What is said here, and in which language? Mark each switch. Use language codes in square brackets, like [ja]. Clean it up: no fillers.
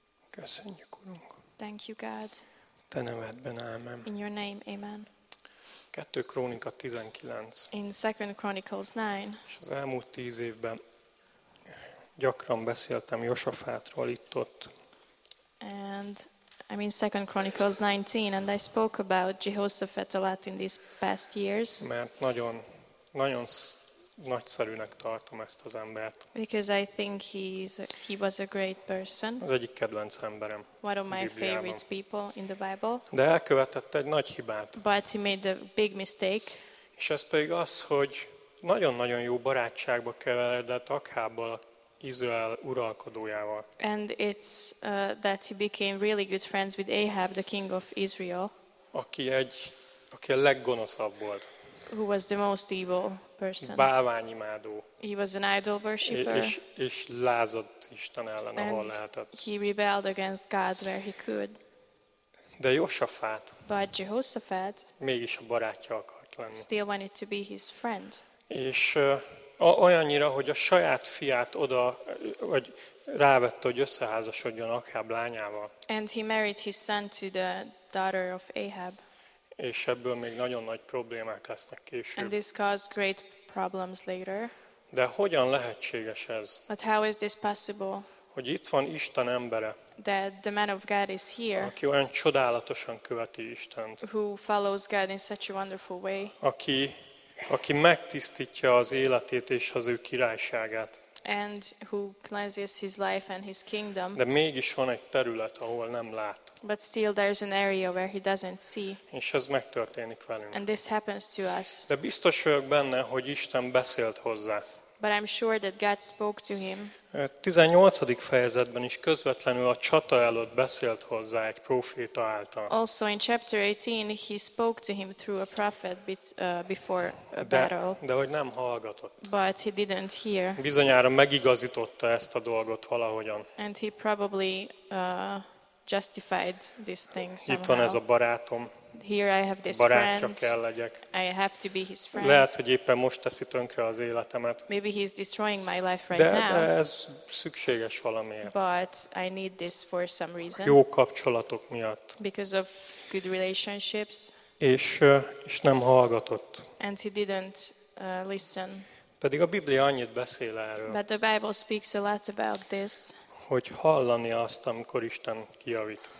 [hu] Köszönjük, Urunk. [en] Thank you, God. [hu] Te nevedben, ámen. [en] In your name, amen. [hu] 2 Krónika 19. [en] In 2 Chronicles 9. [hu] És az elmúlt 10 évben gyakran beszéltem Josafátról itt-ott. [en] And I mean 2 Chronicles 19, and I spoke about Jehoshaphat a lot in these past years. [hu] Mert nagyon, nagyon nagyszerűnek tartom ezt az embert. [en] Because I think he was a great person. [hu] Az egyik kedvenc emberem. [en] One of my favorite people in the Bible. [hu] De elkövetett egy nagy hibát. [en] But he made a big mistake. [hu] És ez pedig az, hogy nagyon-nagyon jó barátságba keveredett Akhábbal, Izrael uralkodójával. [en] And it's that he became really good friends with Ahab, the king of Israel. [hu] Aki a leggonoszabb volt. [en] Who was the most evil person. [hu] Bálványimádó. [en] He was an idol worshipper. [hu] És lázadt Isten ellen, [en] and [hu] ahol lehetett. [en] He rebelled against God where he could. [hu] De Jehoshaphat. [en] But Jehoshaphat. [hu] Mégis a barátja akart lenni. [en] Still wanted to be his friend. [hu] És olyannyira, hogy a saját fiát oda, vagy rávette, hogy összeházasodjon Akháb lányával. [en] And he married his son to the daughter of Ahab. [hu] És ebből még nagyon nagy problémák lesznek később. [en] And this caused great problems later. [hu] De hogyan lehetséges ez? [en] But how is this possible? [hu] Hogy itt van Isten embere. [en] That the man of God is here. [hu] Aki olyan csodálatosan követi Istent. [en] Who follows God in such a wonderful way. [hu] Aki megtisztítja az életét és az ő királyságát. [en] And who cleanses his life and his kingdom. [hu] De mégis van egy terület, ahol nem lát. [en] But still there's an area where he doesn't see. [hu] És ez megtörténik velünk. [en] And this happens to us. [hu] De biztos vagyok benne, hogy Isten beszélt hozzá. [en] But I'm sure that God spoke to him. [hu] 18. fejezetben is közvetlenül a csata előtt beszélt hozzá egy proféta által. [en] Also in chapter 18 he spoke to him through a prophet before a battle. [hu] De hogy nem hallgatott. [en] But he didn't hear. [hu] Bizonyára megigazította ezt a dolgot valahogyan. [en] And he probably justified these things somehow. [hu] Itt van ez a barátom. [en] Here I have this [hu] barátja [en] friend. [hu] Kell legyek. [en] I have to be his friend. [hu] Lehet, hogy éppen most teszi tönkre az életemet. [en] Maybe he's destroying my life right now. [hu] De ez szükséges valamiért. [en] But I need this for some reason. [hu] Jó kapcsolatok miatt. [en] Because of good relationships. [hu] És nem hallgatott. [en] And he didn't listen. [hu] Pedig a Biblia annyit beszél erről. [en] But the Bible speaks a lot about this. [hu] Hogy hallani azt, amikor Isten kijavít.